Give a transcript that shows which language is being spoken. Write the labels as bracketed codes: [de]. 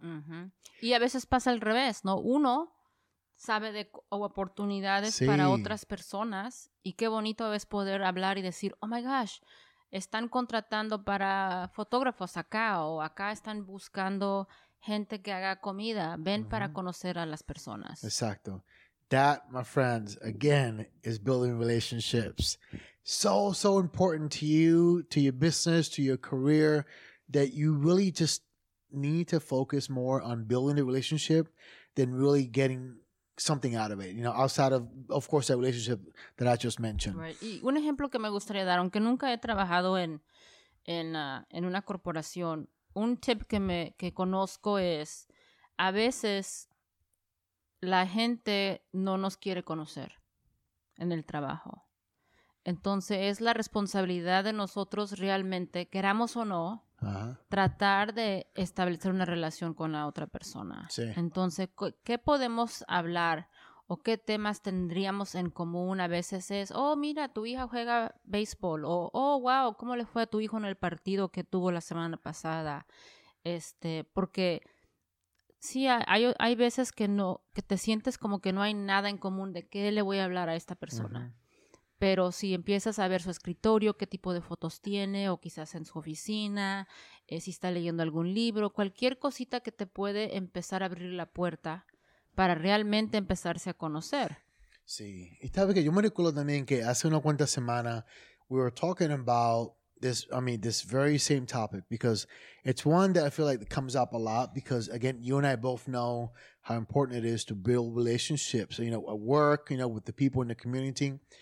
[es] Uh-huh. Y a veces pasa al revés, ¿no? Uno sabe de oportunidades, sí, para otras personas, y qué bonito es poder hablar y decir, [en] oh my gosh, [es] están contratando para fotógrafos acá, o acá están buscando gente que haga comida, ven, uh-huh, para conocer a las personas. [en] Exacto. That, my friends, again, is building relationships. So, so important to you, to your business, to your career, that you really just need to focus more on building the relationship than really getting something out of it, you know, outside of course, that relationship that I just mentioned. [es] Right. Y un ejemplo que me gustaría dar, aunque nunca he trabajado en una corporación, un tip que conozco es, a veces la gente no nos quiere conocer en el trabajo. Entonces, es la responsabilidad de nosotros realmente, queramos o no, uh-huh, tratar de establecer una relación con la otra persona. Sí. Entonces, ¿qué podemos hablar o qué temas tendríamos en común? A veces es, oh, mira, tu hija juega béisbol. O, oh, wow, ¿cómo le fue a tu hijo en el partido que tuvo la semana pasada? Porque sí, hay veces que te sientes como que no hay nada en común de qué le voy a hablar a esta persona. Uh-huh. Pero si empiezas a ver su escritorio, qué tipo de fotos tiene, o quizás en su oficina, si está leyendo algún libro, cualquier cosita que te puede empezar a abrir la puerta para realmente empezarse a conocer. Sí. Y sabes que yo me recuerdo también que hace una cuanta semana [en] we were talking about this very same topic, because it's one that I feel like comes up a lot, because again, you and I both know how important it is to build relationships, you know, at work, you know, with the people in the community.